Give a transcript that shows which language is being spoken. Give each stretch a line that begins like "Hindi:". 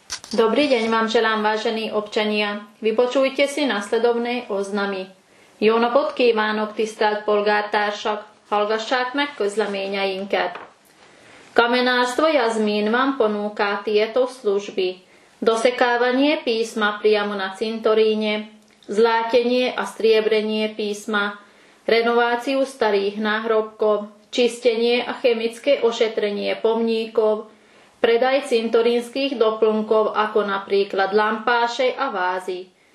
Slovak: Dobrý deň vám želám, vážení občania. Vypočujte si nasledovné oznamy.
Hungarian: Jó napot kívánok, tisztelt polgártársak! Hallgassák meg közleményeinket!
Slovak: Kamenárstvo Jazmín vám ponúká tieto služby. Dosekávanie písma priamo na cintoríne, zlátenie a striebrenie písma, renováciu starých náhrobkov, čistenie a chemické ošetrenie pomníkov, predaj cintorínskych doplnkov ako napríklad lampáše a vázy.